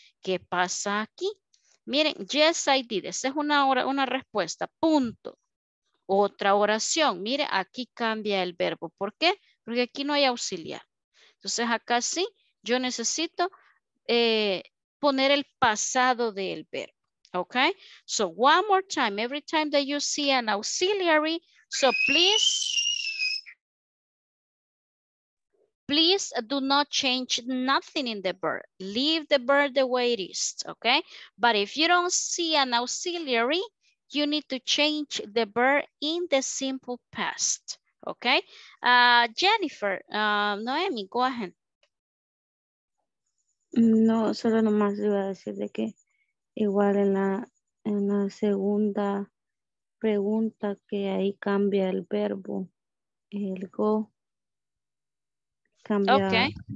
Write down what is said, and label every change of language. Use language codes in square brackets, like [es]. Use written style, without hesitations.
[es] ¿Qué pasa aquí? Miren, [en] yes, I did. [es] Esa es una respuesta. Punto. Otra oración. Mire, aquí cambia el verbo. ¿Por qué? Porque aquí no hay auxiliar. Entonces, acá sí, yo necesito poner el pasado del verbo. [en] ¿Ok? So, one more time. Every time that you see an auxiliary, so please... Please do not change nothing in the verb. Leave the verb the way it is, okay? But if you don't see an auxiliary, you need to change the verb in the simple past, okay? Jennifer, Noemi, go ahead. [es] No, solo nomás iba a decir de que igual en la segunda pregunta que ahí cambia el verbo, el go. [en] Okay.